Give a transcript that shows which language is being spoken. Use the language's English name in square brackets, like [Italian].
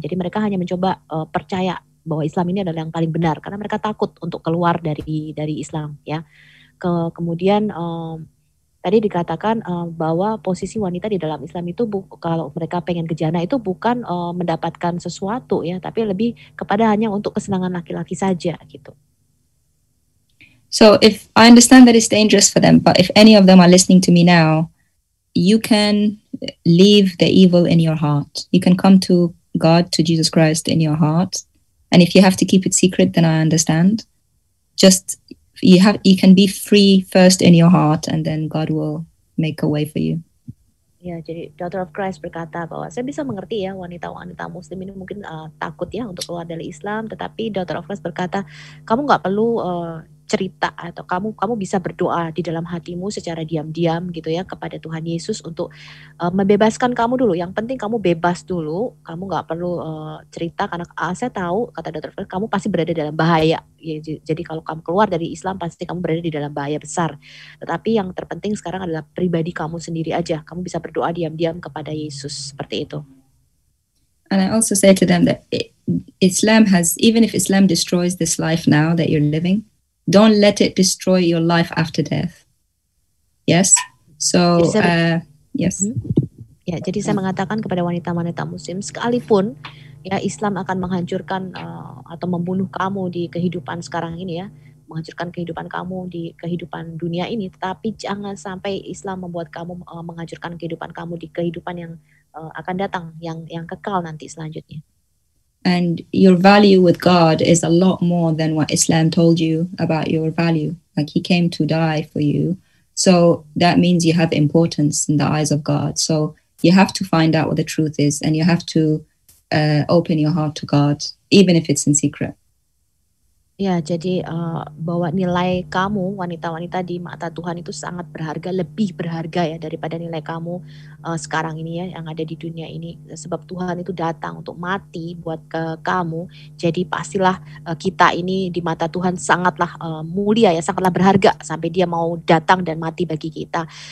[Indonesian] Jadi mereka hanya mencoba percaya bahwa Islam ini adalah yang paling benar karena mereka takut untuk keluar dari Islam, ya. Kemudian tadi dikatakan bahwa posisi wanita di dalam Islam itu kalau mereka pengen ke Jannah itu bukan mendapatkan sesuatu, ya, tapi lebih kepada hanya untuk kesenangan laki-laki saja gitu. [English] So if I understand that it's dangerous for them, but if any of them are listening to me now, you can leave the evil in your heart. You can come to God, to Jesus Christ in your heart. And if you have to keep it secret, then I understand. Just you can be free first in your heart and then God will make a way for you. [Indonesian] Ya, jadi Daughter of Christ berkata bahwa saya bisa mengerti, ya, wanita-wanita Muslim ini mungkin takut, ya, untuk keluar dari Islam, tetapi Daughter of Christ berkata, kamu enggak perlu cerita atau kamu bisa berdoa di dalam hatimu secara diam-diam gitu, ya, kepada Tuhan Yesus untuk membebaskan kamu dulu. Yang penting kamu bebas dulu, kamu enggak perlu cerita karena saya tahu, kata Dr. Fred, kamu pasti berada dalam bahaya. Jadi kalau kamu keluar dari Islam pasti kamu berada di dalam bahaya besar. Tetapi yang terpenting sekarang adalah pribadi kamu sendiri aja. Kamu bisa berdoa diam-diam kepada Yesus seperti itu. [English] And I also say to them that Islam has, even if Islam destroys this life now that you're living, don't let it destroy your life after death. Yes? So, yes. [Indonesian] Ya, jadi saya mengatakan kepada wanita-wanita Muslim, sekalipun, ya, Islam akan menghancurkan atau membunuh kamu di kehidupan sekarang ini, ya, menghancurkan kehidupan kamu di kehidupan dunia ini, tetapi jangan sampai Islam membuat kamu menghancurkan kehidupan kamu di kehidupan yang akan datang, yang kekal nanti selanjutnya. [English] and your value with God is a lot more than what Islam told you about your value. Like, he came to die for you. So that means you have importance in the eyes of God. So you have to find out what the truth is, and you have to open your heart to God, even if it's in secret. [Indonesian] Ya, jadi bahwa nilai kamu wanita-wanita di mata Tuhan itu sangat berharga, lebih berharga ya daripada nilai kamu sekarang ini ya yang ada di dunia ini. Sebab Tuhan itu datang untuk mati buat kamu, jadi pastilah kita ini di mata Tuhan sangatlah mulia ya, sangatlah berharga sampai dia mau datang dan mati bagi kita.